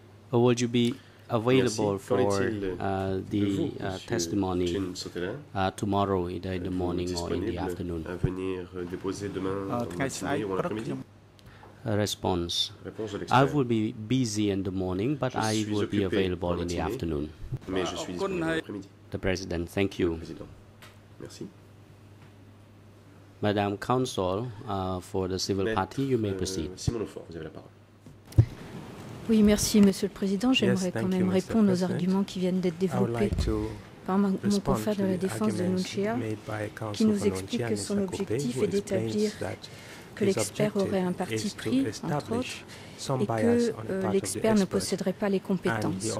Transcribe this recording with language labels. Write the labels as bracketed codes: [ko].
[en] Or would you be available for the testimony tomorrow, either in the morning or in the afternoon? [fr] À venir déposer demain dans la matinée ou l'après-midi? [en] Response. I will be busy in the morning, but I will be available in the afternoon. [fr] Mais je suis disponible l'après-midi. [en] The President, thank you. [fr] Merci. [en] Madame Counsel, for the civil party, you may proceed. [fr] Simon Lefort, vous avez la parole. Oui, merci, Monsieur le Président. J'aimerais quand même répondre aux arguments qui viennent d'être développés par mon confrère de la défense de Nunchia, qui nous explique que son objectif est d'établir que l'expert aurait un parti pris, entre autres, et que l'expert ne posséderait pas les compétences.